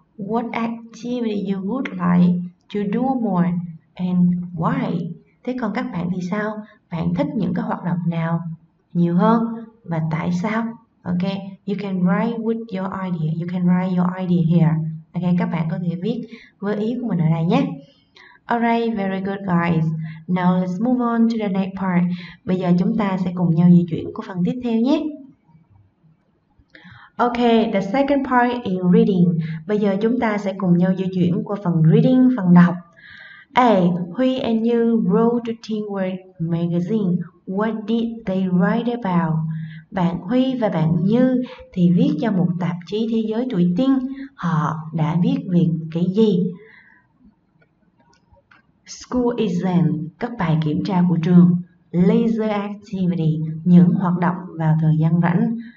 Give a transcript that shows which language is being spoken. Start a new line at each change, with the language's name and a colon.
English: What activity you would like to do more and why?
Vietnamese: Thế còn các bạn thì sao? Bạn thích những cái hoạt động nào nhiều hơn và tại sao?
English: You can write with your idea. You can write your idea here.
Vietnamese: Các bạn có thể viết với ý của mình ở đây nhé.
English: Alright, very good guys. Now let's move on to the next part.
Vietnamese: Bây giờ chúng ta sẽ cùng nhau di chuyển của phần tiếp theo nhé.
English: The second part is reading.
Vietnamese: Bây giờ chúng ta sẽ cùng nhau di chuyển qua phần reading, phần đọc.
English: Huy and you wrote to Teen World Magazine. What did they write about?
Vietnamese: Bạn Huy và bạn Như thì viết cho một tạp chí thế giới tuổi teen. Họ đã viết về cái gì?
English: School exam,
Vietnamese: các bài kiểm tra của trường.
English: Leisure activity,
Vietnamese: những hoạt động vào thời gian rảnh.